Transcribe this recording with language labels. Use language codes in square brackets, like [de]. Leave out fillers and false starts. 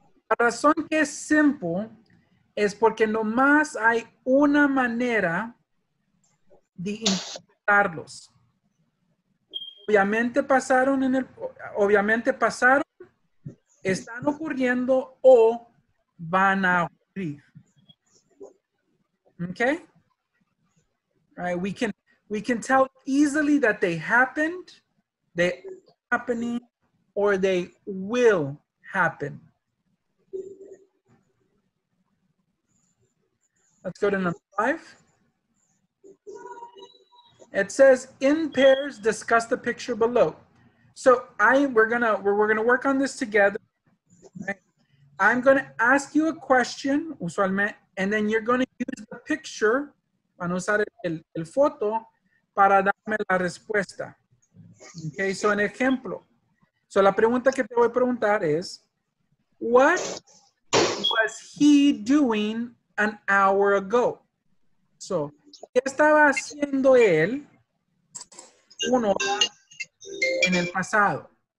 [es] La razón que es simple es porque nomás hay una manera de interpretarlos. Obviamente pasaron en el, obviamente pasaron, están ocurriendo o van a ocurrir. [en] Okay? Right, we can tell easily that they happened, they are happening, or they will happen. Let's go to number five. It says in pairs, discuss the picture below. So we're gonna work on this together. Okay? I'm gonna ask you a question, usualmente, and then you're gonna use the picture. [es] Van a usar el foto para darme la respuesta. [en] Okay, so an ejemplo. So [es] la pregunta que te voy a preguntar es, [en] what was he doing an hour ago? [es] So, ¿qué estaba haciendo él una hora en el pasado?